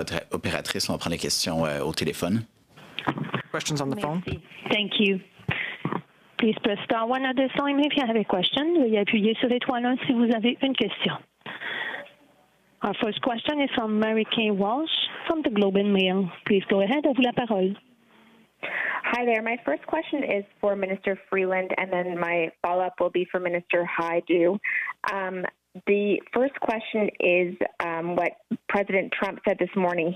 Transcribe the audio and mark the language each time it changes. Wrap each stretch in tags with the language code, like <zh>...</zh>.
<fr>Opératrice, on va prendre les questions au téléphone.</fr> <en>Questions on the phone. Thank you. Please press star one at this time if you have a question.</en> <fr>Veuillez appuyer sur l'étoile 1 si vous avez une question.</fr> <en>Our first question is from Mary Kay Walsh from the Globe and Mail. Please go ahead,</en> <fr>ouvre la parole.</fr> <en>Hi there. My first question is for Minister Freeland, and then my follow-up will be for Minister Haidu. The first question is what President Trump said this morning.</en>